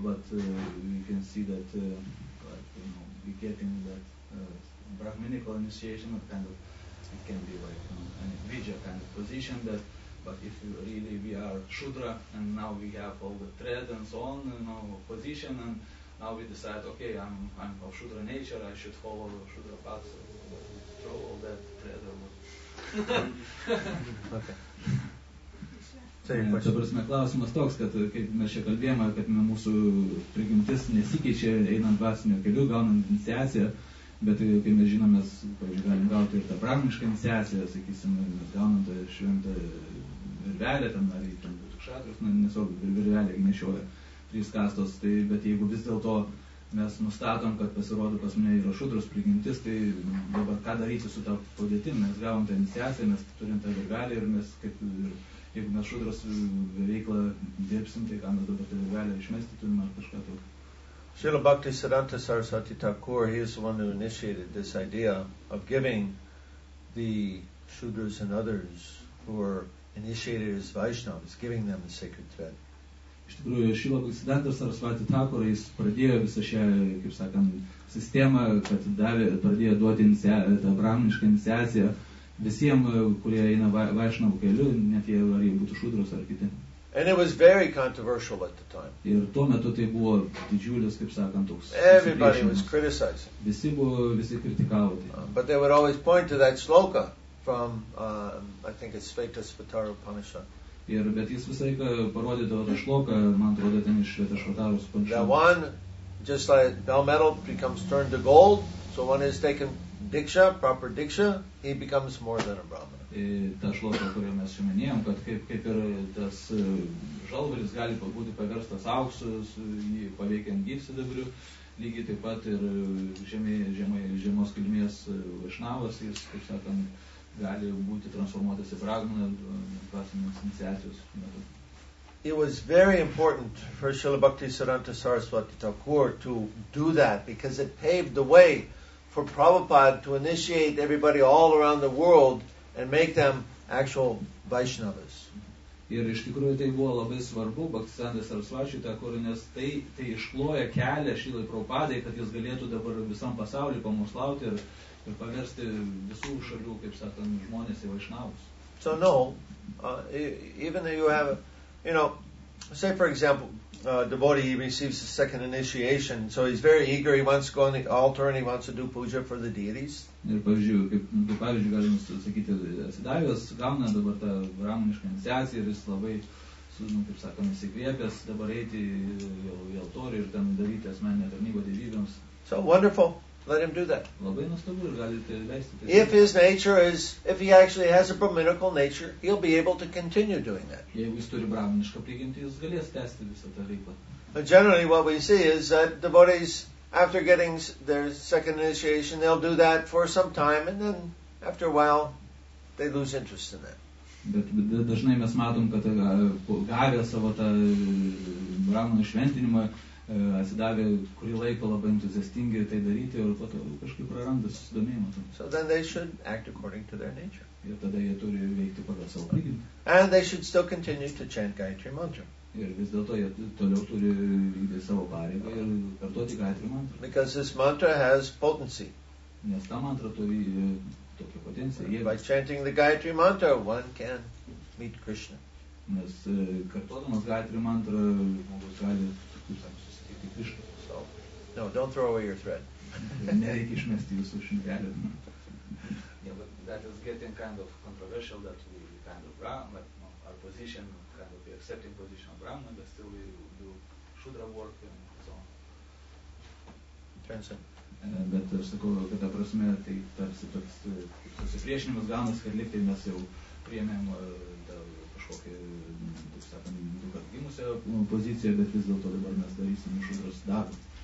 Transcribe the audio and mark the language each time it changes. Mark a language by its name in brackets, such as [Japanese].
[English] We can see that we get in that brahminical initiation of kind of it can be like an vija kind of position that but if really we are Shudra and now we have all the thread and so on, you know, position and now we decide, okay, I'm of Shudra nature, I should follow the Shudra path, so throw all that thread or what. Okay. [Lithuanian] Ta prasme, klausimas toks, kad kaip mes čia kalbėjome, kad mūsų prigimtis nesikeičia einant dvasinio keliu, gaunant iniciaciją, bet kai mes žinome, pavyzdžiui, galim gauti ir tą brahmišką iniciaciją, sakysim, mes gaunam tą šventą virvelę, ten, ar ten būtų kšatrius, nesvarbu, virvelę nešioja trys kastos, tai, bet jeigu vis dėlto mes nustatom, kad pasirodo pas mane yra šudros prigimtis, tai dabar ką daryti su tą padėtim, mes gavom tą iniciaciją, mes turim tą virvelę ir mes kaip ir jeigu mes šudras veiklą dirbsim, tai ką mes dabar tai gali išmesti, turime ar kažką tokio. [English] Srila Bhakti Siddhanta Sarasvati Thakur, he is the one who initiated this idea of giving the shudras and others who are initiated as Vaishnavas, giving them the sacred thread. [Lithuanian] Iš tikrųjų, Srila Bhakti Siddhanta Sarasvati Thakur, jis pradėjo visą šią, kaip sakant, sistemą, kad pradėjo duoti tą brahminišką iniciaciją, visiem, kurie eina Vaishnavų keliu, net jie, ar jie būtų šudros ar kiti. [English] And it was very controversial at the time. [Lithuanian] Ir tuo metu tai buvo didžiulis, kaip sakant, toks. [English] Everybody was criticizing. [Lithuanian] Visi kritikavo tai. [English] But they would always point to that sloka from, I think it's Svetasvatara Upanishad. [Lithuanian] Ir bet jis visą laiką parodydavo tą šloką, man atrodo, ten iš Svetasvatara Upanishad. [English] That one, just like bell metal becomes turned to gold, so one is taken Diksha, proper Diksha, he becomes more than a Brahmana. [Lithuanian] Ta šloka, kurią mes šiandien, kad kaip ir tas žalvaris gali būti paverstas auksu, paveikiant gyvsidabriu, lygiai taip pat ir žemos kilmės Vaishnavas, jis, kaip sakant, gali būti transformuotas į Brahmana dvasinės iniciacijos metu. [English] It was very important for Srila Bhakti Siddhanta Saraswati Thakur to do that because it paved the way for Prabhupada to initiate everybody all around the world and make them actual Vaishnavas. [Lithuanian] Ir iš tikrųjų tai buvo labai svarbu, Bhaktisiddhanta Sarasvati Thakur, nes tai iškloja kelią Šilai Prabhupadai, kad jis galėtų dabar visam pasaulyje pamokslauti ir paversti visų šalių, kaip sakant, žmonės į Vaishnavus. [English] So no, even though you have, you know, say for example, devotee, he receives the second initiation, so he's very eager, he wants to go on the altar and he wants to do puja for the deities. [Lithuanian] Ir pavyzdžiui, galima sakyti, atsidavęs gauna dabar tą brahmanišką iniciaciją ir jis labai, kaip sakant, įsikvėpęs dabar eiti į altorį ir ten daryti asmeninę tarnybą dievybėms. [English] So wonderful, let him do that. [Lithuanian] Labai nustabu ir galite leisti. [English] If his nature is, if he actually has a brahminical nature, he'll be able to continue doing that. [Lithuanian] Jeigu jis turi brahminišką prigimtį, jis galės tęsti visą tą veiklą. [English] But generally what we see is that devotees, after getting their second initiation, they'll do that for some time and then after a while they lose interest in that. [Lithuanian] Bet dažnai mes matom, kad gavę savo tą brahmanų šventinimą, atsidavė kurį laiką labai entuziastingai tai daryti ir po to kažkaip praranda susidomėjimą. [English] So then they should act according to their nature. [Lithuanian] Ir tada jie turi veikti pagal savo prigimtį. [English] And they should still continue to chant Gayatri Mantra. [Lithuanian] Ir vis dėlto jie toliau turi vykdyti savo pareigą ir kartoti Gayatri Mantra. [English] Because this mantra has potency. [Lithuanian] Nes tą mantrą turi tokią potenciją. [English] By chanting the Gayatri mantra, one can meet Krishna. [Lithuanian] Nes kartuodamas Gayatri mantrą, žmogus gali susitikti Krishna. [English] So, no, don't throw away your thread. [Lithuanian] Nereikia išmesti jūsų šimtelį. [English] Yeah, but that is getting kind of controversial, that we kind of Brahma, no, our position, kind of the accepting position of Brahma, but still we do Shudra work and so on. Transcend. [Lithuanian] Bet aš sakau, kad ta prasme, tai tarsi toks susipriešinimas galvas, kad liktai mes jau priėmėm kažkokį, taip sakant, du kart gimusią poziciją, bet vis dėlto dabar mes darysim Shudras darbą.